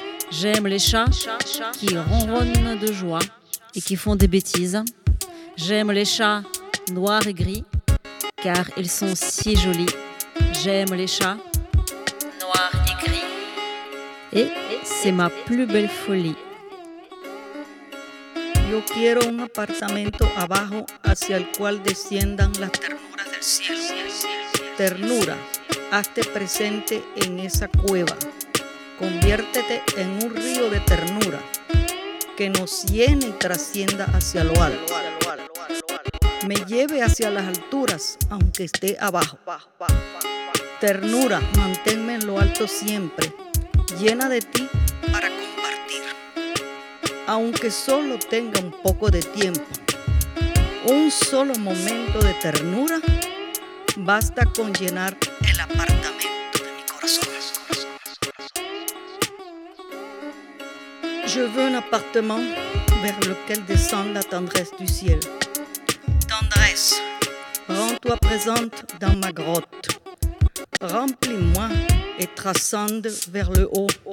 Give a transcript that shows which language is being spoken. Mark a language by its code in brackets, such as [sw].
[fr] J'aime les chats qui ronronnent de joie et qui font des bêtises. J'aime les chats noirs et gris, car ils sont si jolis. J'aime les chats noirs et gris. Et c'est ma plus belle folie. [es] Yo quiero un apartamento abajo hacia el cual desciendan las ternuras del cielo. Ternura, hazte presente en esa cueva. Conviértete en un río de ternura que nos llene y trascienda hacia lo alto. Me lleve hacia las alturas, aunque esté abajo. Ternura, manténme en lo alto siempre, llena de ti para compartir. Aunque solo tenga un poco de tiempo, un solo momento de ternura, basta con llenar el apartamento. [fr] Je veux un appartement vers lequel descende la tendresse du ciel. Tendresse. Rends-toi présente dans ma grotte. Remplis-moi et transcende vers le haut.